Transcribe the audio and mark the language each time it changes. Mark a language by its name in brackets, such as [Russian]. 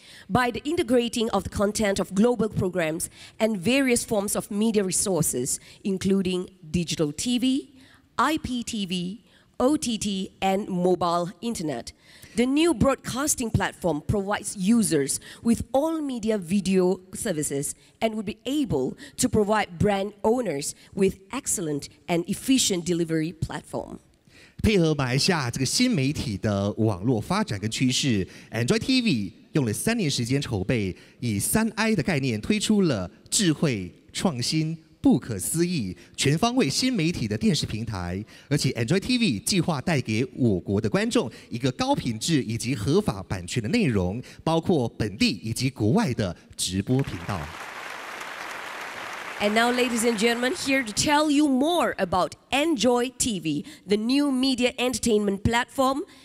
[English] By the integrating of the content of global programs and various forms of media resources, including digital TV, IPTV, OTT, and mobile internet,The new broadcasting platform provides users with all media video services and would be able to provide brand owners with excellent and efficient delivery platform. [Chinese] 配合马来西亚这个新媒体的网络发展跟趋势 ，Enjoy TV 用了三年时间筹备，以三 I 的概念推出了智慧、创新、不可思议全方位新媒体的电视平台，而且 Enjoy TV 计划带给我国的观众一个高品质以及合法版权的内容，包括本地以及国外的直播频道。 [English] And now, ladies and gentlemen, here to tell you more about Enjoy TV, the new media entertainment platform.